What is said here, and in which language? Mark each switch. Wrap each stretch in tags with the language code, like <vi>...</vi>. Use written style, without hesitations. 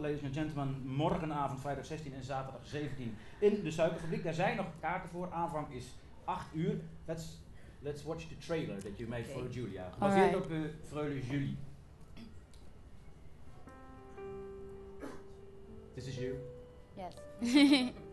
<en>Ladies and gentlemen,</en> <nl>morgenavond, vrijdag 16 en zaterdag 17 in de Suikerfabriek. Daar zijn nog kaarten voor. Aanvang is 8 uur.</nl> <en>Let's watch the trailer that you made for Julia.</en> <nl>Gebaseerd op Freule Julie.</nl> <en>This is you. Yes.</en>